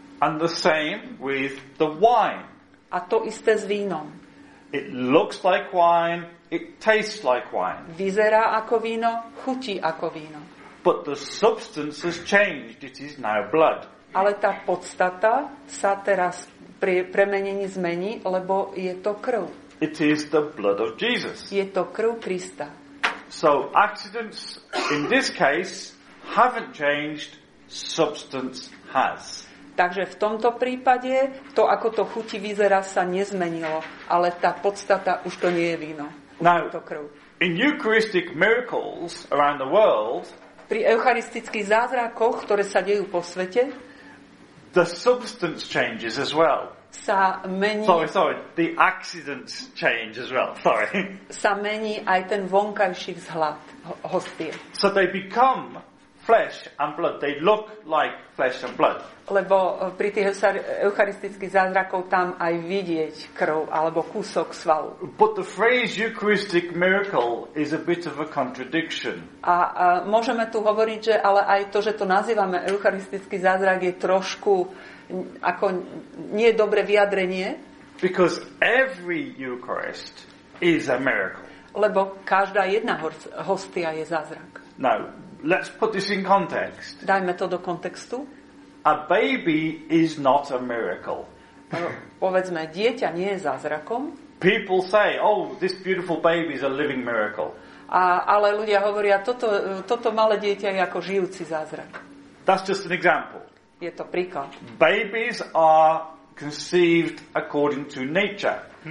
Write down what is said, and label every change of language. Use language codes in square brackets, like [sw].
[en] And the same with the wine. [sk] A to isté s vínom. [en] It looks like wine, it tastes like wine. [sk] Vyzerá ako víno, chutí ako víno. [en] But the substance has changed, it is now blood. [sk] Ale tá podstata sa teraz pri premenení zmení, lebo je to krv. [en] It is the blood of Jesus. [sk] Je to krv Krista. [en] So accidents in this case haven't changed, substance has. [sk] Takže v tomto prípade to, ako to chuti vyzerá, sa nezmenilo, ale tá podstata už to nie je víno. [en] Now, [sk] je to krv. [en] In Eucharistic miracles around the world, [sk] pri eucharistických zázrakoch, ktoré sa dejú po svete, [en] the substance changes as well. [sk] sa mení. [en] Sorry, the accidents change as well. Sorry. [sk] Sa mení aj ten vonkajší vzhľad hostie. [en] So they become flesh and blood. They look like flesh and blood. [sk] Lebo pri tých eucharistických zázrakov tam aj vidieť krv alebo kúsok svalu. [en] But the phrase Eucharistic miracle is a bit of a contradiction. [sk] A môžeme tu hovoriť, že ale aj to, že to nazývame eucharistický zázrak, je trošku ako nie dobre vyjadrenie. [en] Because every Eucharist is a miracle. [sk] Lebo každá jedna hostia je zázrak. [en] Now, let's put this in context. [sk] Dajme to do kontextu. [en] A baby is not a miracle. [sk] Povedzme, dieťa nie je zázrakom. [en] People say, oh, this beautiful baby is a living miracle. [sk] Ale ľudia hovoria, toto malé dieťa je ako žijúci zázrak. [en] That's just an example. [sk] Je to príklad. [en] Babies are conceived according to nature.